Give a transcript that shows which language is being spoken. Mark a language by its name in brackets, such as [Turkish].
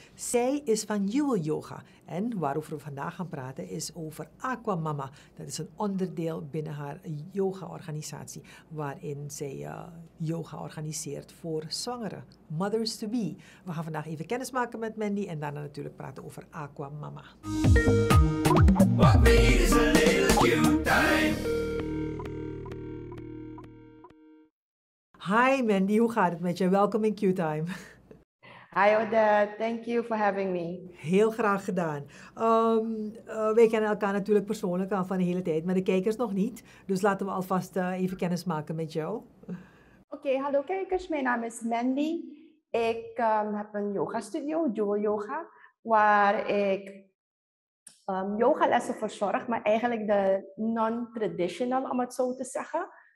[Dutch] Zij is van Jewel Yoga. En waarover we vandaag gaan praten is over Aquamama. Dat is een onderdeel binnen haar yoga-organisatie, waarin zij yoga organiseert voor zwangere mothers-to-be. We gaan vandaag even kennis maken met Mandy en daarna natuurlijk praten over Aquamama. [English] What we need is a little Q-Time. [Dutch] Hi Mandy, hoe gaat het met je? Welkom in Q-Time. [English] Hi Odette, thank you for having me. [Dutch] Heel graag gedaan. Wij kennen elkaar natuurlijk persoonlijk al van de hele tijd, maar de kijkers nog niet. Dus laten we alvast even kennis maken met jou. Oké, hallo kijkers. Mijn naam is Mandy. Ik heb een yoga studio, Jewel Yoga, waar ik yogalessen verzorg, maar eigenlijk de non-traditional, om het zo te zeggen.